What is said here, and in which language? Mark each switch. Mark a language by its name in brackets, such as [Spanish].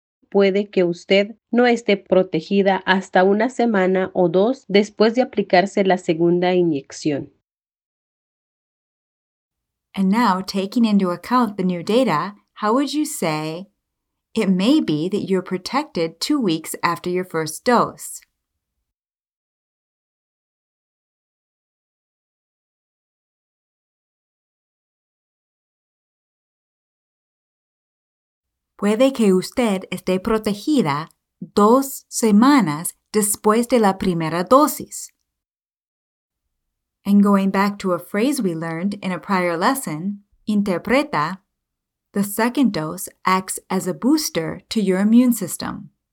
[Spanish] Puede que usted no esté protegida hasta una semana o dos después de aplicarse la segunda inyección. [English] And now, taking into account the new data, how would you say, it may be that you're protected 2 weeks after your first dose? [Spanish] Puede que usted esté protegida dos semanas después de la primera dosis. [English] And going back to a phrase we learned in a prior lesson, interpreta, the second dose acts as a booster to your immune system.